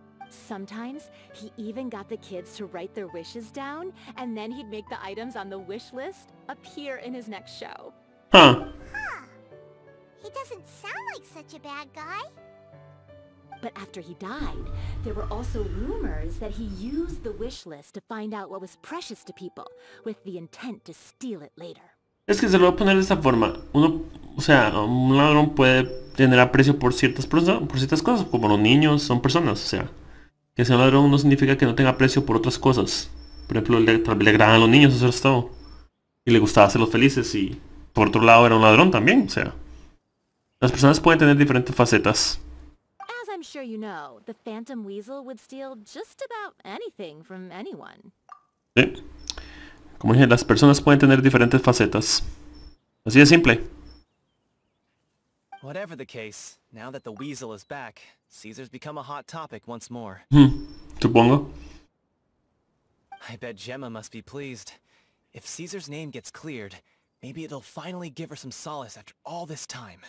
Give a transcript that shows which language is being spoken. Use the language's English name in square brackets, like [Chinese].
[English] Sometimes, he even got the kids to write their wishes down, and then he'd make the items on the wish list appear in his next show. Huh. He doesn't sound like such a bad guy. But after he died, there were also rumors that he used the wish list to find out what was precious to people, with the intent to steal it later. [Spanish] Es que se lo voy a poner de esta forma. Uno, o sea, un ladrón puede tener aprecio por ciertas cosas, como los niños son personas, o sea. Que sea ladrón no significa que no tenga aprecio por otras cosas. Por ejemplo, le agradan a los niños, eso es todo. Y le gustaba hacerlos felices y por otro lado era un ladrón también, o sea. Las personas pueden tener diferentes facetas. [English] As I'm sure you know, the Phantom Weasel would steal just about anything from anyone. [Spanish] Sí. Como dije, las personas pueden tener diferentes facetas. Así de simple. [English] Whatever the case, now that the weasel is back, Caesar's become a hot topic once more. [Spanish] Supongo. [English] I bet Gemma must be pleased. If Caesar's name gets cleared, maybe it'll finally give her some solace after all this time.